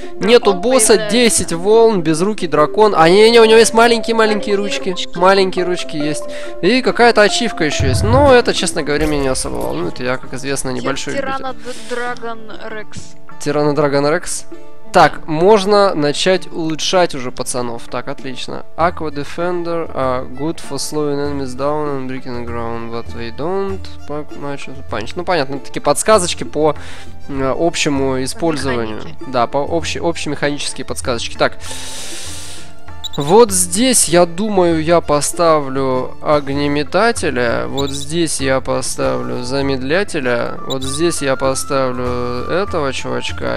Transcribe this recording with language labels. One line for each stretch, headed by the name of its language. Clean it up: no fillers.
Russian: Нету босса, 10 волн, безрукий дракон. А, не-не, у него есть маленькие ручки. Маленькие ручки есть. И какая-то ачивка еще есть. Но это, честно говоря, меня не особо волнует. Я, как известно, небольшой любитель. Тирано-драгон-рекс. Тирано-драгон-рекс? Так, можно начать улучшать уже пацанов. Так, отлично.
English: Aqua Defender, good for slowing enemies down and breaking the ground, but they don't pack much of a punch.
Russian: Ну, понятно, такие подсказочки по общему использованию. Механики. Да, по общей механические подсказочки. Так, вот здесь, я думаю, я поставлю огнеметателя. Вот здесь я поставлю замедлятеля. Вот здесь я поставлю этого чувачка.